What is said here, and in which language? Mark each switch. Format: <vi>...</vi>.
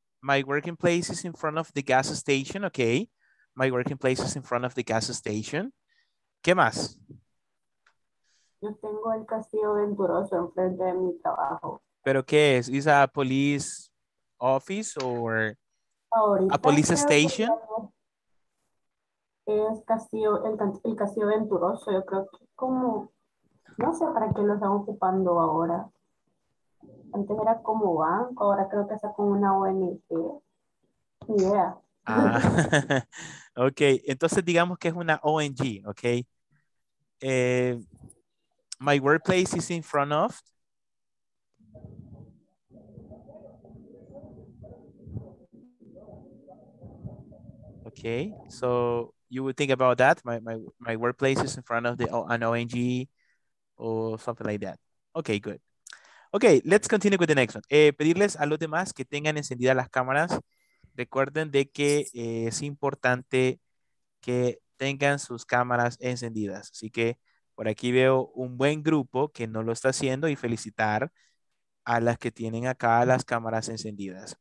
<en>My working place is in front of the gas station. Okay. My working place is in front of the gas station.</en> <es>¿Qué más? Yo tengo el castillo venturoso enfrente de mi trabajo. ¿Pero qué es? ¿Es</es> <en>a police office or</en> <es>ahorita</es> <en>a police station?</en> <es>Es castillo, el castillo venturoso. Yo creo que como, no sé para qué lo están ocupando ahora. Antes era como banco, ahora creo que está con una ONG. Ni idea. Ah, ok, entonces digamos que es una ONG, ok.</es> <en>My workplace is in front of. Ok, so you would think about that. My workplace is in front of the, an ONG or something like that. Ok, good. Ok, let's continue with the next one.</en> <es>Pedirles a los demás que tengan encendidas las cámaras. Recuerden de que es importante que tengan sus cámaras encendidas. Así que por aquí veo un buen grupo que no lo está haciendo y felicitar a las que tienen acá las cámaras encendidas.</es>